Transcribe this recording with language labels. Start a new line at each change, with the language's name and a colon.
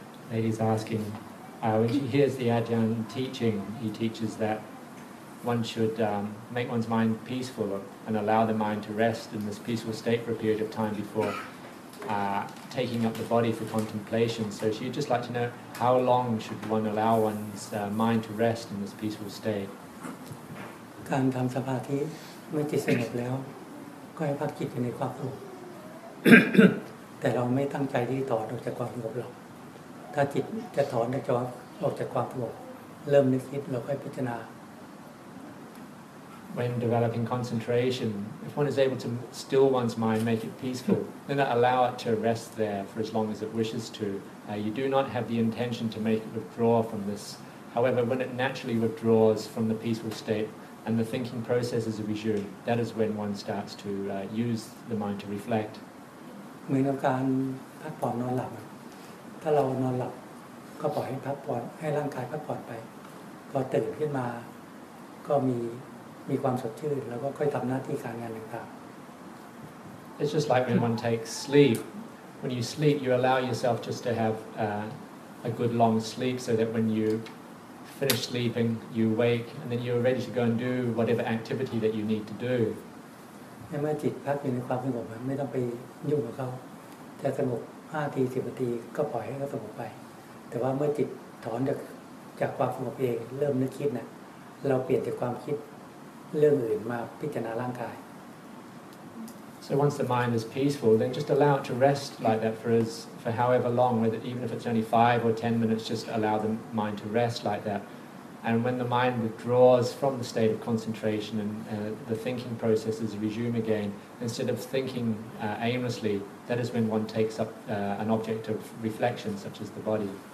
English: Lady's asking, when she hears the Ajahn teaching, he teaches that one should make one's mind peaceful and allow the mind to rest in this peaceful state for a period of time before taking up the body for contemplation. So she'd just like to know, how long should one allow one's mind to rest in this peaceful state?
Thai: การทำสมาธิเมื่อจิตสงบแล้วก็ให้พักจิตอยู่ในความสงบแต่เราไม่ตั้งใจที่ต่อออกจากความสงบหรอกถ้าจิตจะถอนจิตออกจากความสงบเริ่มนึกคิดเราค่อยพิจารณา
English: When developing concentration, if one is able to still one's mind, make it peaceful, then allow it to rest there for as long as it wishes to. You do not have the intention to make it withdraw from this. However, when it naturally withdraws from the peaceful state, and the thinking process is resumed, that is when one starts to use the mind to reflect.
Thai: เหมือนกับการพักผ่อนนอนหลับถ้าเรานอนหลับก็ปล่อยให้พักผ่อนให้ร่างกายพักผ่อนไปพอตื่นขึ้นมาก็มีความสดชื่นแล้วก็ค่อยทำหน้าที่การงานต่าง
English: It's just like when one takes sleep. When you sleep, you allow yourself just to have a good long sleep so that when youfinish sleeping, you wake, and then you're ready to go and do whatever activity that you need to do.
Thai: เมื่อจิตพักอยู่ในความสงบไม่ต้องไปยุ่งกับเขาจะสงบ5ที10นาทีก็ปล่อยให้เขาสงบไปแต่ว่าเมื่อจิตถอนจากความสงบเองเริ่มนึกคิดนะเราเปลี่ยนจากความคิดเรื่องอื่นมาพิจารณาร่างกาย
English: So once the mind is peaceful, then just allow it to rest like that for however long, whether even if it's only 5 or 10 minutes, just allow the mind to rest like that. And when the mind withdraws from the state of concentration and the thinking processes resume again, instead of thinking aimlessly, that is when one takes up an object of reflection, such as the body.